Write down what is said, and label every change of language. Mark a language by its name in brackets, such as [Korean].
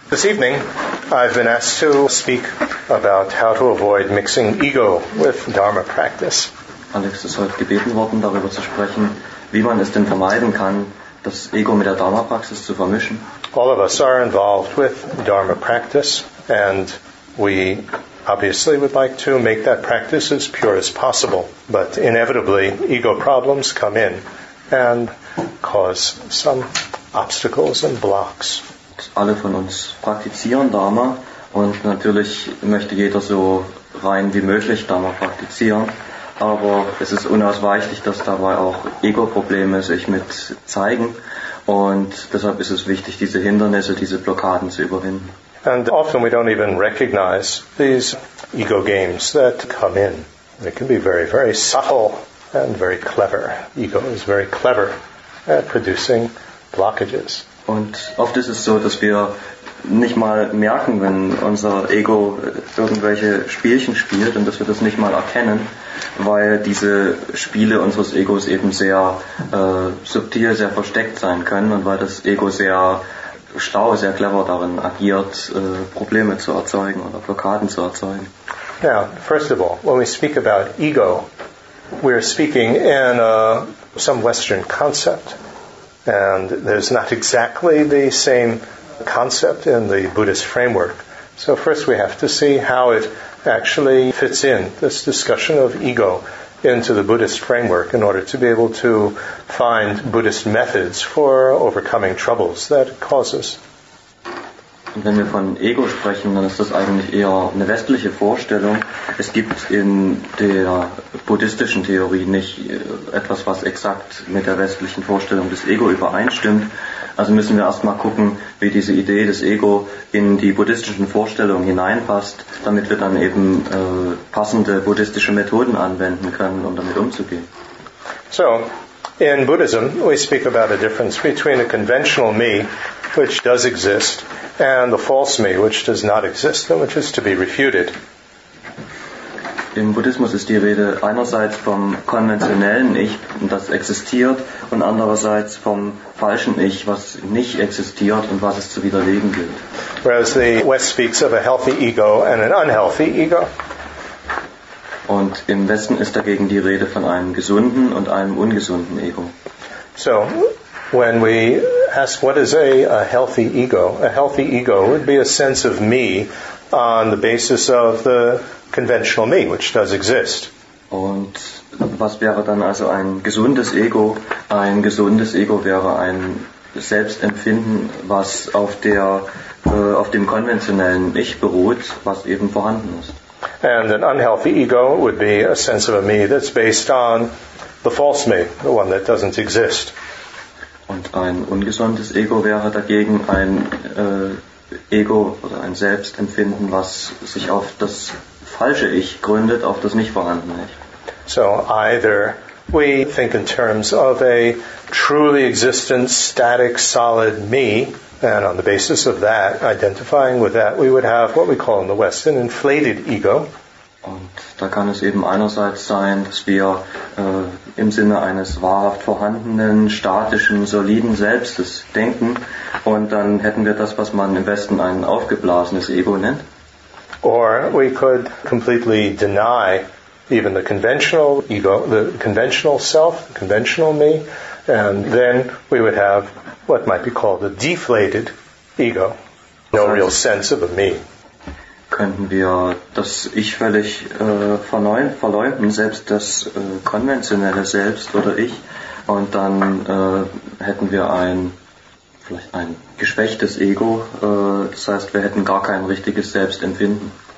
[English] This evening, I've been asked to speak about how to avoid mixing ego with Dharma practice. [German] Alex ist heute gebeten worden, darüber zu sprechen, wie man es denn vermeiden kann, das Ego mit der Dharma-Praxis zu vermischen. [English] All of us are involved with Dharma practice, and we obviously would like to make that practice as pure as possible. But inevitably, ego problems come in and cause some obstacles and blocks. [German] Alle von uns praktizieren Dharma und natürlich möchte jeder so rein wie möglich Dharma praktizieren. Aber es ist unausweichlich, dass dabei auch Ego-Probleme sich mit zeigen. Und deshalb ist es wichtig, diese Hindernisse, diese Blockaden zu überwinden. [English] And often we don't even recognize these ego games that come in. They can be very, very subtle and very clever. Ego is very clever at producing blockages. [German] Und oft ist es so, dass wir nicht mal merken, wenn unser Ego irgendwelche Spielchen spielt und dass wir das nicht mal erkennen, weil diese Spiele unseres Egos eben sehr subtil, sehr versteckt sein können und weil das Ego sehr schlau, sehr clever darin agiert, Probleme zu erzeugen oder Blockaden zu erzeugen. [English] Now, first of all, when we speak about ego, we're speaking in some Western concept. And there's not exactly the same concept in the Buddhist framework. So first we have to see how it actually fits in, this discussion of ego, into the Buddhist framework in order to be able to find Buddhist methods for overcoming troubles that it causes. [German] Und wenn wir von Ego sprechen, dann ist das eigentlich eher eine westliche Vorstellung. Es gibt in der buddhistischen Theorie nicht etwas, was exakt mit der westlichen Vorstellung des Ego übereinstimmt. Also müssen wir erstmal gucken, wie diese Idee des Ego in die buddhistischen Vorstellungen hineinpasst, damit wir dann eben passende buddhistische Methoden anwenden können, um damit umzugehen. [English] So, in Buddhism we speak about a difference between a conventional me, which does exist, and the false me, which does not exist, and which is to be refuted. [German] Im Buddhismus ist die Rede einerseits vom konventionellen Ich, das existiert, und andererseits vom falschen Ich, was nicht existiert und was es zu widerlegen gilt. [English] Whereas the West speaks of a healthy ego and an unhealthy ego. [German] Und im Westen ist dagegen die Rede von einem gesunden und einem ungesunden Ego. [English] So, when we ask what is a healthy ego, a healthy ego would be a sense of me on the basis of the conventional me, which does exist. [German] Und was wäre dann also ein gesundes Ego? Ein gesundes Ego wäre ein Selbstempfinden, was auf dem konventionellen Ich beruht, was eben vorhanden ist. [English] And an unhealthy ego would be a sense of a me that's based on the false me, the one that doesn't exist. [German] Und ein ungesundes Ego wäre dagegen ein Ego oder ein Selbstempfinden, was sich auf das falsche Ich gründet, auf das nicht vorhandene Ich. [English] So either we think in terms of a truly existent, static, solid me, and on the basis of that, identifying with that, we would have what we call in the West an inflated ego. [German] Und da kann es eben einerseits sein, dass wir im Sinne eines wahrhaft vorhandenen, statischen, soliden Selbstes denken und dann hätten wir das, was man im Westen ein aufgeblasenes Ego nennt. [English] Or we could completely deny even the conventional ego, the conventional self, the conventional me, and then we would have what might be called a deflated ego, no real sense of a me. [German] Könnten wir das Ich völlig verleumden, selbst das konventionelle Selbst oder Ich, und dann hätten wir vielleicht ein geschwächtes Ego, das heißt, wir hätten gar kein richtiges Selbstempfinden.